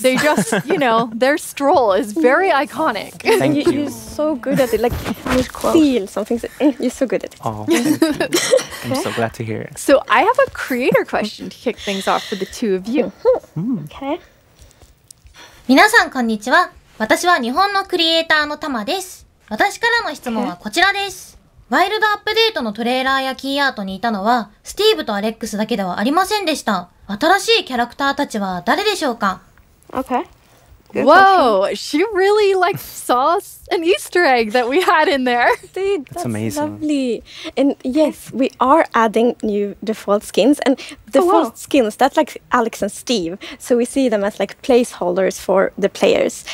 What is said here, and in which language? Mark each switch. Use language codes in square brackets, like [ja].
[en] They just, you know, their stroll is very iconic. Thank you. You're so good at it. Like, you feel something. You're so good at it. Oh, thank you. I'm so glad to hear it. So I have a creator question to kick things off for the two of you. [ja] Okay. 皆さんこんにちは。私は日本のクリエイターのタマです。私からの質問はこちらです。ワイルドアップデートのトレーラーやキーアートにいたのはスティーブとアレックスだけではありませんでした。新しいキャラクターたちは誰でしょうか? [en] Okay. Whoa, she really like saw an Easter egg that we had in there. That's amazing. Lovely. And yes, we are adding new default skins. And default skins, that's like Alex and Steve. So we see them as like placeholders for the players.